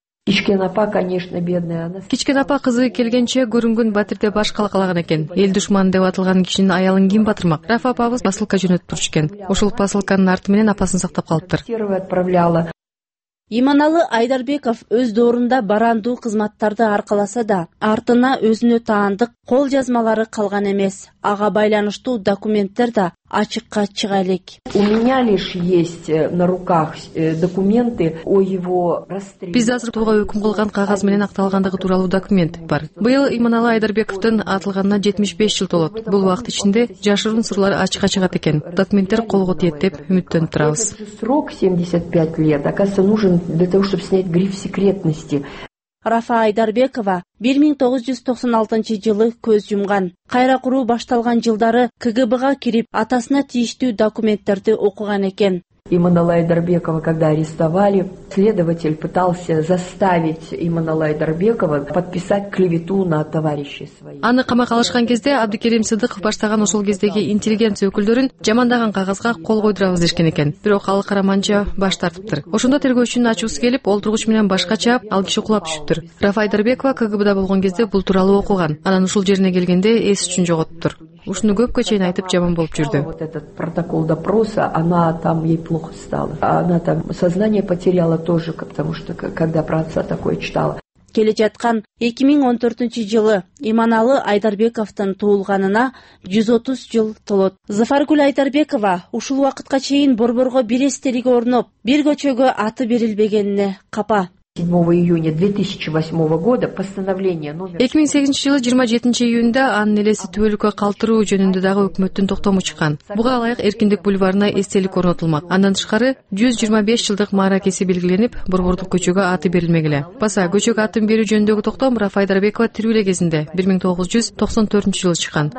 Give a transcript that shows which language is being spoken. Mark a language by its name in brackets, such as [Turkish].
[Russian] Кичкен апа, конечно, бедная она. [Kyrgyz] Кичкен апа кызы келгенче көрүнгөн батирде баш калкалаган экен. Эл душман деп аталган кишинин аялын ким батырмак? Рафа апабыз басылка жөнөттүрчү экен. Ошол басылканын арты менен апасын сактап калыптыр. Эйманалы Айдарбеков өз доорунда барандуу кызматтарды аркаласа да, артына өзүнө таандык кол жазмалары калган эмес. Ага байланыштуу документтер да ачыкка чыга элек. [Russian] У меня лишь есть на руках документы о его расстреле. [Kyrgyz] Биз азыр тууга өкүм кылган кагаз менен акталгандыгы тууралуу документ бар. Быйыл Эйманалы Айдарбековдун атылганына 75 жыл толот. Бул убакыт ичинде жашыруун сырлары ачыкка чыгат экен. Документтер колго тиет деп үмүттөнүп турабыз. [Russian] Срок 75 лет, оказывается, нужен для того, чтобы снять гриф секретности. [Kyrgyz] Рафа Айдарбекова 1996 жылы көз жумган. Кайра куруу башталган жылдары КГБга кирип, атасына тийиштүү документтерди окуган экен. [Russian] Эйманалы Айдарбекова, когда арестовали, следователь пытался заставить Эйманалы Айдарбекова подписать клевету на товарищей своих. [Kyrgyz] Аны камакка алышкан кезде Абдыкерим Сыдыков баштаган ошол кездеги интеллигенция өкүлдөрүн жамандаган кагазга кол койдурабыз дешкен экен. Бирок ал караманча баш тартыптыр. Ошондо тергөөчүнүн ачуусу келип, олтургуч менен башка чаап, ал киши кулап түшүптүр. Рафа Айдарбекова КГБда болгон кезде бул тууралуу окуган. Анан ушул жерине келгенде эс үчүн жоготуптур. Ушуну көпкө чейин айтып жаман болуп жүрдү. [Russian] Вот этот протокол допроса, она там ей плохо стало. Она там сознание потеряла тоже, потому что когда про отца такое читала. [Kyrgyz] Келе жаткан 2014 жылы Эйманалы Айдарбековтун туулганына 130 жыл толот. Зыфаргүл Айдарбекова ушул убакытка чейин борборго бир эстелик орноп, бир көчөгө аты берилбегенине капа. [Russian] 7 июня 2008 года постановление номер [Kyrgyz] 2008 жылы 27 июнда анын элеси түбөлүккө калтыруу жөнүндө дагы өкмөттүн токтому чыккан. Буга ылайык Эркиндик бульварына эстелик орнотулмак. Андан тышкары 125 жылдык мааракеси белгиленип, борбордук көчөгө аты берилмек эле. Баса көчөгө атын берүү жөнүндөгү токтом Рафа Айдарбекова тирүү эле кезинде 1994 жылы чыккан.